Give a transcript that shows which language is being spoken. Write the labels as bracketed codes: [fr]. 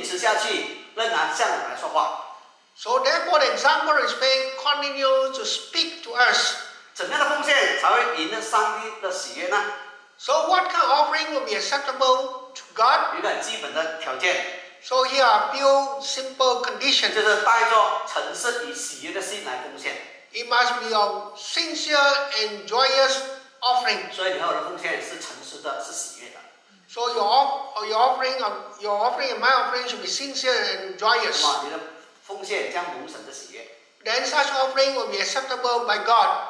[zh] 所以使他的信心的榜样继续能够延迟下去，仍然向我们来说话。 [en] So therefore, the example of faith continues to speak to us. [zh] 怎样的奉献才会赢得上帝的喜悦呢？ [en] So what kind of offering will be acceptable to God? [zh] 有一个很基本的条件。 [en] So here are a few simple conditions. [zh] 就是带着诚实与喜悦的心来奉献。 [en] It must be a sincere and joyous offering. [zh] 所以你要的奉献是诚实的，是喜悦的。 [en] So your offering and my offering should be sincere and joyous. [zh] 你的奉献将蒙神的喜悦。 [en] Then such offering will be acceptable by God.